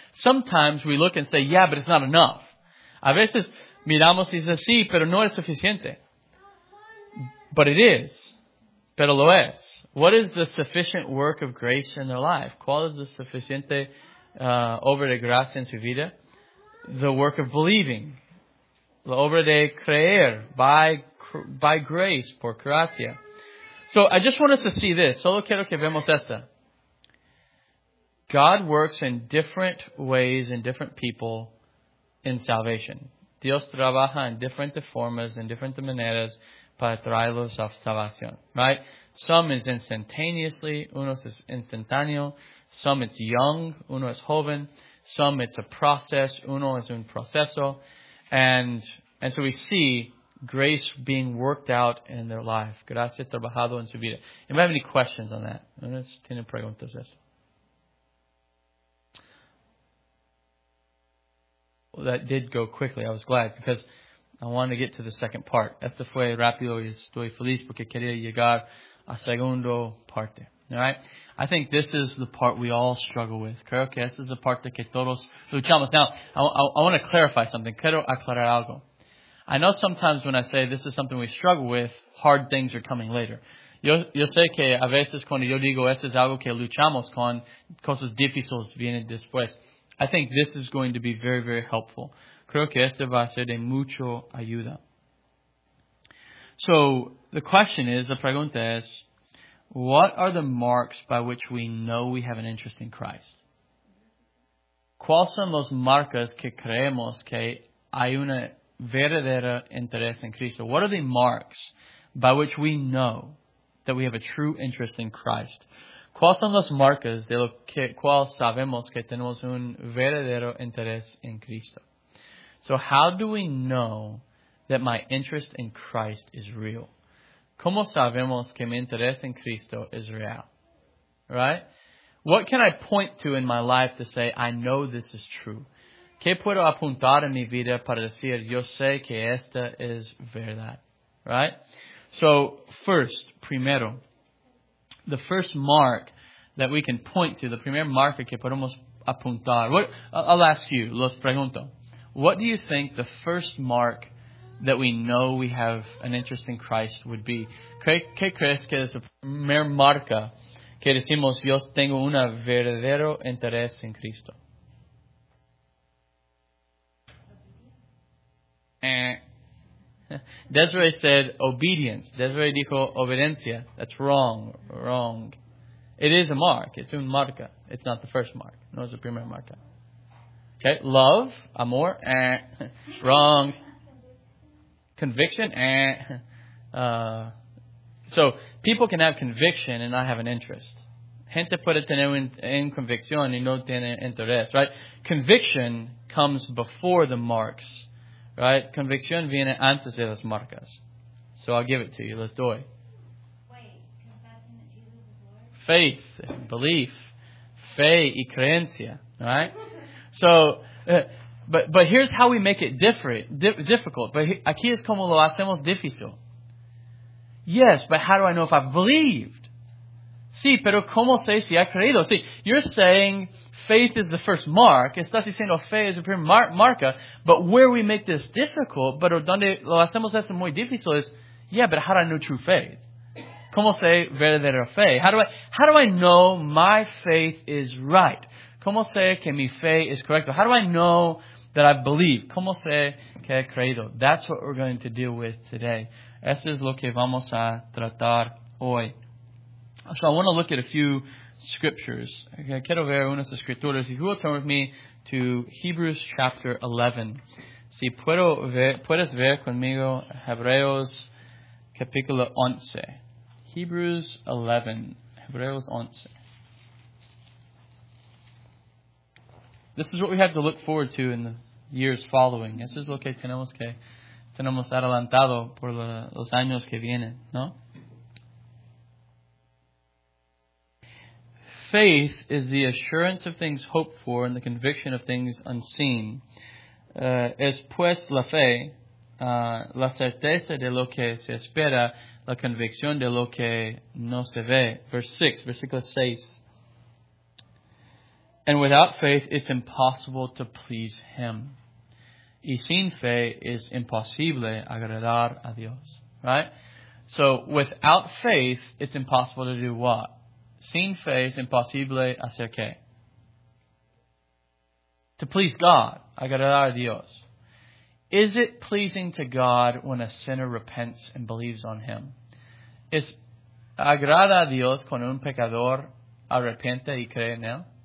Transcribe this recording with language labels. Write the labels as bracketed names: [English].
[English] Sometimes we look and say, yeah, but it's not enough. [Spanish] A veces miramos y dice, sí, pero no es suficiente. [English] But it is. [Spanish] Pero lo es. [English] What is the sufficient work of grace in their life? [Spanish] ¿Cuál es la suficiente obra de gracia en su vida? [English] The work of believing. [Spanish] La obra de creer. [English] By grace, [Spanish] por gracia. [English] So, I just want us to see this. [Spanish] Solo quiero que vemos esta. [English] God works in different ways in different people in salvation. [Spanish] Dios trabaja en diferentes formas, en diferentes maneras para traerlos a salvación. [English] Right? Some is instantaneously, [Spanish] unos es instantáneo, [English] some it's young, [Spanish] uno es joven, [English] some it's a process, [Spanish] uno es un proceso, [English] and so we see grace being worked out in their life. [Spanish] Gracias trabajado en su vida. [English] You might have any questions on that? [Spanish] Unos tienen preguntas de esto. [English] Well, that did go quickly. I was glad because I wanted to get to the second part. [Spanish] Esto fue rápido y estoy feliz porque quería llegar a segundo parte. [English] All right? I think this is the part we all struggle with. [Spanish] Creo que esta es la parte que todos luchamos. [English] Now, I want to clarify something. [Spanish] Quiero aclarar algo. [English] I know sometimes when I say this is something we struggle with, hard things are coming later. [Spanish] Yo sé que a veces cuando yo digo esto es algo que luchamos con, cosas difíciles vienen después. [English] I think this is going to be very, very helpful. [Spanish] Creo que esto va a ser de mucho ayuda. [English] So, the question is, the [Spanish] pregunta es, [English] what are the marks by which we know we have an interest in Christ? [Spanish] ¿Cuáles son los marcas que creemos que hay una verdadera interés en Cristo? [English] What are the marks by which we know that we have a true interest in Christ? [Spanish] ¿Cuáles son los marcas de lo que cual sabemos que tenemos un verdadero interés en Cristo? [English] So how do we know that my interest in Christ is real? [Spanish] ¿Cómo sabemos que mi interés en Cristo es real? [English] Right? What can I point to in my life to say, I know this is true? [Spanish] ¿Qué puedo apuntar en mi vida para decir, yo sé que esta es verdad? [English] Right? So, first, primero, the first mark that we can point to, the [Spanish] primer marca que podemos apuntar. [English] I'll ask you, [Spanish] los pregunto. [English] What do you think the first mark that we know we have an interest in Christ would be? [Spanish] ¿Qué crees que es la primera marca que decimos, yo tengo un verdadero interés en Cristo? [English] Desiree said obedience. [Spanish] Desiree dijo obediencia. [English] That's wrong. Wrong. It is a mark. It's [Spanish] un marca. [English] It's not the first mark. No, it's the [Spanish] primer marca. [English] Okay. Love. Amor. Wrong. Conviction. So people can have conviction and not have an interest. [Spanish] Gente puede tener en convicción y no tener interés. [English] Right? Conviction comes before the marks. Right? [Spanish] Convicción viene antes de las marcas. [English] So I'll give it to you. Let's do it. Wait, confessing that Jesus is Lord? Faith, belief, [Spanish] fe y creencia. [English] Right? So, but here's how we make it difficult. But [Spanish] aquí es como lo hacemos difícil. [English] Yes, but how do I know if I've believed? [Spanish] Sí, pero ¿cómo sé si ha creído? Sí, [English] you're saying faith is the first mark. [Spanish] Estás diciendo fe es la primera marca. [English] But where we make this difficult, [Spanish] pero donde lo hacemos esto muy difícil es, [English] yeah, but how do I know true faith? [Spanish] ¿Cómo sé verdadera fe? [English] How do I know my faith is right? [Spanish] ¿Cómo sé que mi fe es correcta? [English] How do I know that I believe? [Spanish] ¿Cómo sé que he creído? [English] That's what we're going to deal with today. [Spanish] Eso es lo que vamos a tratar hoy. [English] So I want to look at a few scriptures. [Spanish] Quiero ver unas escrituras. [English] If you will turn with me to Hebrews chapter 11. [Spanish] Si puedo ver, puedes ver conmigo Hebreos capítulo 11. [English] Hebrews 11. Hebreos 11. This is what we have to look forward to in the years following. [Spanish] Eso es lo que tenemos adelantado por los años que vienen, ¿no? [English] Faith is the assurance of things hoped for and the conviction of things unseen. [Spanish] Es pues la fe, la certeza de lo que se espera, la convicción de lo que no se ve. Versículo 6. [English] And without faith, it's impossible to please Him. [Spanish] Y sin fe, es imposible agradar a Dios. [English] Right? So, without faith, it's impossible to do what? [Spanish] Sin fe es imposible hacer qué? [English] To please God. [Spanish] Agradar a Dios. [English] Is it pleasing to God when a sinner repents and believes on Him? [Spanish] ¿Es agrada a Dios cuando un pecador arrepiente y cree en Él?